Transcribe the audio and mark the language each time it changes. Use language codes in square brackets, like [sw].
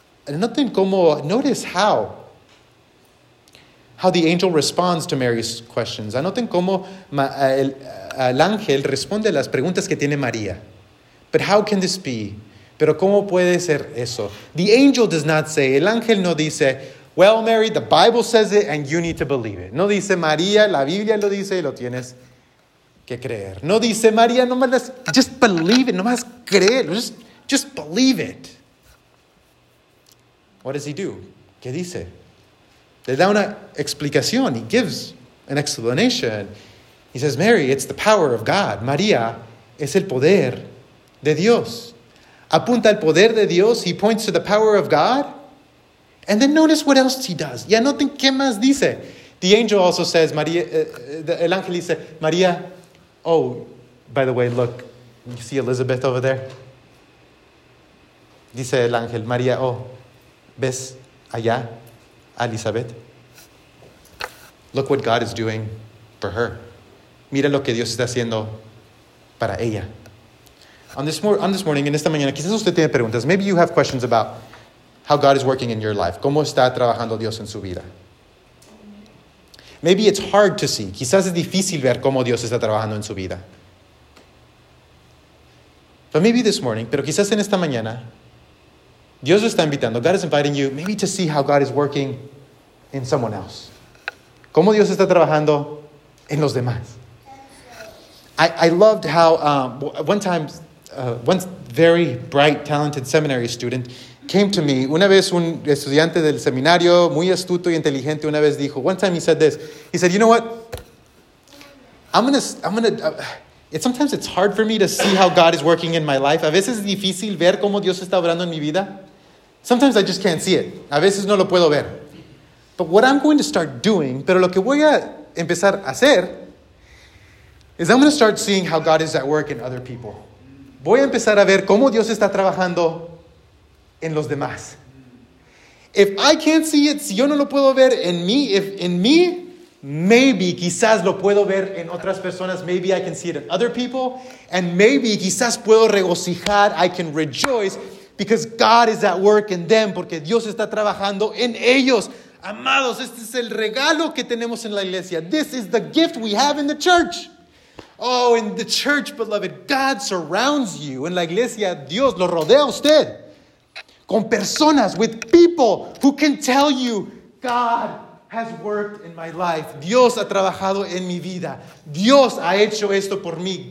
[en] Notice how the angel responds to Mary's questions. [es] Anoten cómo el ángel responde a las preguntas que tiene María. [en] But how can this be? [es] Pero cómo puede ser eso? [en] The angel does not say, [es] el ángel no dice, [en] well, Mary, the Bible says it and you need to believe it. [es] No dice, María, la Biblia lo dice y lo tienes que creer. No dice, María, nomás, [en] just believe it, [es] nomás creerlo, just believe it. [en] What does he do? [es] ¿Qué dice? Le da una explicación. [en] He gives an explanation. He says, Mary, it's the power of God. [es] María es el poder de Dios. Apunta al poder de Dios. [en] He points to the power of God. And then notice what else he does. [es] Y anoten qué más dice. [en] The angel also says, María, [es] el ángel dice, [en] María, oh, by the way, look, you see Elizabeth over there? [es] Dice el ángel, María, oh, ¿ves allá a Elizabeth? [en] Look what God is doing for her. [es] Mira lo que Dios está haciendo para ella. [en] On this morning, [es] en esta mañana, quizás usted tiene preguntas. [en] Maybe you have questions about how God is working in your life. [es] ¿Cómo está trabajando Dios en su vida? [en] Maybe it's hard to see. [es] Quizás es difícil ver cómo Dios está trabajando en su vida. [en] But maybe this morning, [es] pero quizás en esta mañana, Dios está invitando, [en] God is inviting you maybe to see how God is working in someone else. [es] ¿Cómo Dios está trabajando en los demás? [en] I loved how one very bright, talented seminary student came to me. [es] Una vez un estudiante del seminario, muy astuto y inteligente, una vez dijo, [en] one time he said this. He said, you know what? Sometimes it's hard for me to see how God is working in my life. [es] A veces es difícil ver cómo Dios está obrando en mi vida. [en] Sometimes I just can't see it. [es] A veces no lo puedo ver. [en] But what I'm going to start doing, [es] pero lo que voy a empezar a hacer, [en] is I'm going to start seeing how God is at work in other people. [es] Voy a empezar a ver cómo Dios está trabajando en los demás. [en] If I can't see it, [es] si yo no lo puedo ver en mí, maybe, quizás lo puedo ver en otras personas. [en] Maybe I can see it in other people. And maybe, [es] quizás puedo regocijar, [en] I can rejoice, because God is at work in them, [es] porque Dios está trabajando en ellos. Amados, este es el regalo que tenemos en la iglesia. [en] This is the gift we have in the church. Oh, in the church, beloved, God surrounds you. [es] En la iglesia, Dios lo rodea a usted. Con personas, [en] with people who can tell you, God has worked in my life. [es] Dios ha trabajado en mi vida. Dios ha hecho esto por mí.